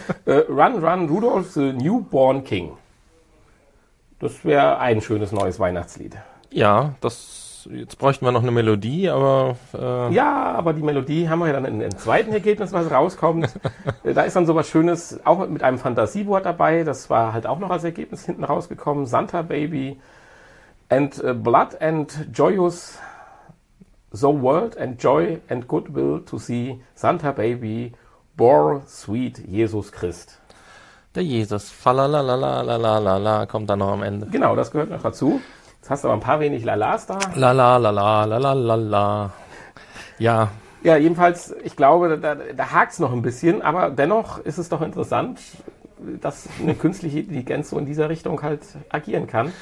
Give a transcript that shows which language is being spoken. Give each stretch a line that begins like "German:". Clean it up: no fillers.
English: Run, Rudolf, the newborn king.
German: Das wäre ein schönes neues Weihnachtslied. Ja, jetzt bräuchten wir noch eine Melodie, aber... Ja, aber die Melodie haben wir ja dann im zweiten Ergebnis, was rauskommt. Da ist dann sowas Schönes, auch mit einem Fantasiewort dabei. Das war halt auch noch als Ergebnis hinten rausgekommen.
English: Santa Baby and Blood and Joyous the World and Joy and Goodwill to see Santa Baby bore sweet Jesus Christ.
German: Der Jesus, falalalalalalala, kommt dann noch am Ende. Genau, das gehört noch dazu. Jetzt hast du aber ein paar wenig Lalas da. Lalalalalalalala. Ja. Ja, jedenfalls, ich glaube, da hakt es noch ein bisschen, aber dennoch ist es doch interessant, dass eine künstliche Intelligenz so in dieser Richtung halt agieren kann.